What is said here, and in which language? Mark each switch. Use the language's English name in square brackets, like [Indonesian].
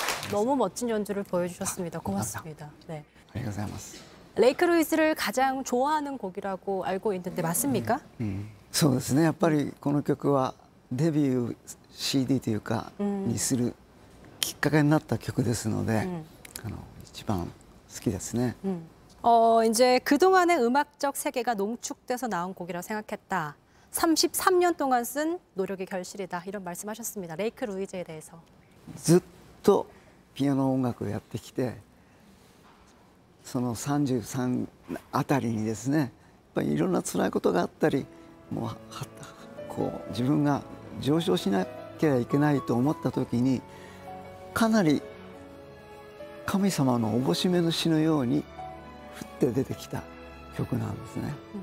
[Korean] 너무멋진연주를보여주셨습니다고맙습니다 네감사합니다 레이크루이즈를가장좋아하는곡이라고알고있는데맞습니까 [Japanese] そうですねやっぱりこの曲はデビュー CD というかにするきっかけになった曲ですので一番好きですね [Korean] 이제그동안의음악적세계가농축돼서나온곡이라고생각했다33년동안쓴노력의결실이다이런말씀하셨습니다레이크루이즈에대해서 [Japanese] ずっとピアノ音楽をやってきて、その33あたりにですね、やっぱりいろんな辛いことがあったり、もうこう自分が上昇しなきゃいけないと思った時に、かなり神様のおぼしめの詩のように降って出てきた曲なんですね。